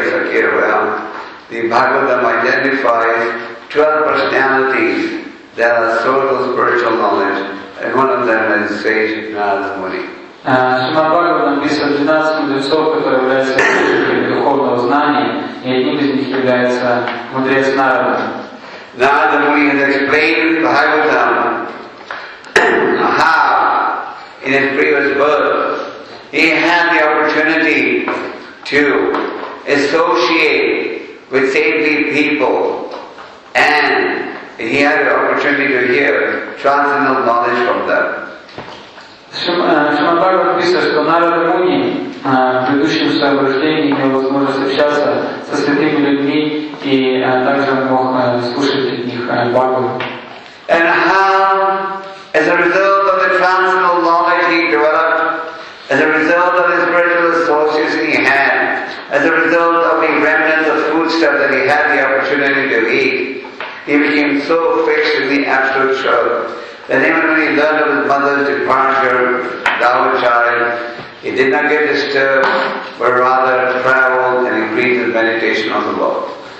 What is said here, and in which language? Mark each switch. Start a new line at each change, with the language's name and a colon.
English: The Bhagavatam identifies 12 personalities that are source of spiritual knowledge, and one of them is sage Narada Muni.
Russian: Srimad Bhagavatam писал 12 мудрецов, которые являются источниками духовного знания, и одним из них является мудрец Нарада.
English: Narada Muni has explained the Bhagavatam how in his previous birth he had the opportunity to associate with saintly people, and he had the opportunity to hear transcendental knowledge from them.
Russian: Srimad Bhagavatam писал, что Нарада Муни в предыдущем своем рождении имел возможность общаться со святыми людьми, и также он мог слушать от них Бхагаву.
English: And how, as a result of the transcendental knowledge he developed, as a result of his spiritual associates he had, as a result of the remnants of foodstuff that he had the opportunity to eat, he became so fixed in the absolute truth that even when he learned of his mother's departure, Dhammacharya, he did not get disturbed, but rather traveled and increased his meditation on the Lord.